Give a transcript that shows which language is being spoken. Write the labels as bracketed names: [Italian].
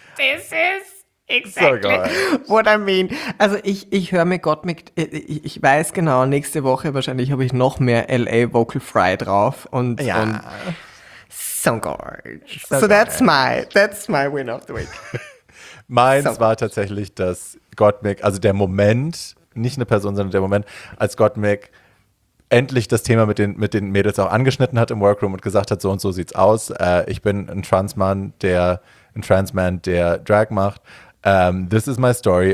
[English] This is exactly what I mean. [German] Also ich höre mir Gottmik, ich weiß genau, nächste Woche wahrscheinlich habe ich noch mehr LA Vocal Fry drauf. Und, ja. Und so gorge. [English] So that's my win of the week. [German] Meins so war tatsächlich, dass Gottmik, also der Moment, nicht eine Person, sondern der Moment, als Gottmik endlich das Thema mit den Mädels auch angeschnitten hat im Workroom und gesagt hat, so und so sieht's aus. Ich bin ein Transman, der Drag macht. [English] This is my story.